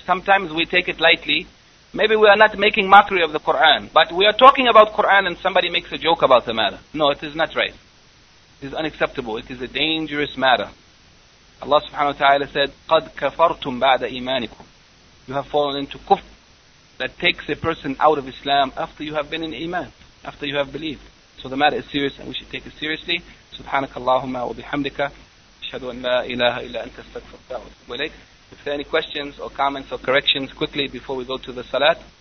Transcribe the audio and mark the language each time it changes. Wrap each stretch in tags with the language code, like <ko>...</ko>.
<en>Sometimes we take it lightly. Maybe we are not making mockery of the Quran, but we are talking about Quran and somebody makes a joke about the matter. No, it is not right. It is unacceptable. It is a dangerous matter. Allah subhanahu wa ta'ala said,</en> <ar>قَدْ كَفَرْتُمْ بَعْدَ إِيمَانِكُمْ.</ar> <en>You have fallen into kufr. That takes a person out of Islam after you have been in iman, after you have believed. So the matter is serious and we should take it seriously.</en> <ar>سبحانك اللهم وبحمدك أشهد أن لا إله إلا أنت استغفرك وأتوب إليك.</ar> <en>If there are any questions or comments or corrections, quickly before we go to the salat.</en>